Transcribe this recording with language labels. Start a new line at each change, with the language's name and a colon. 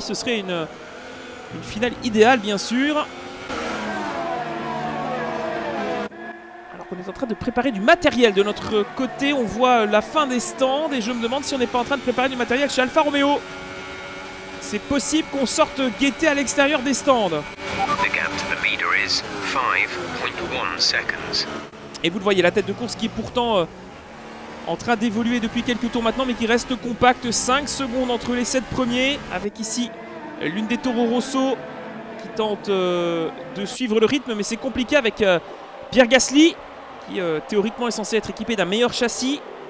French: Ce serait une finale idéale bien sûr. On est en train de préparer du matériel de notre côté. On voit la fin des stands et je me demande si on n'est pas en train de préparer du matériel chez Alfa Romeo. C'est possible qu'on sorte guetté à l'extérieur des stands.
English: The gap to the leader is 5.1 seconds.
French: Et vous le voyez, la tête de course qui est pourtant en train d'évoluer depuis quelques tours maintenant, mais qui reste compact. 5 secondes entre les 7 premiers, avec ici l'une des Toro Rosso qui tente de suivre le rythme, mais c'est compliqué avec Pierre Gasly, qui théoriquement est censé être équipé d'un meilleur châssis.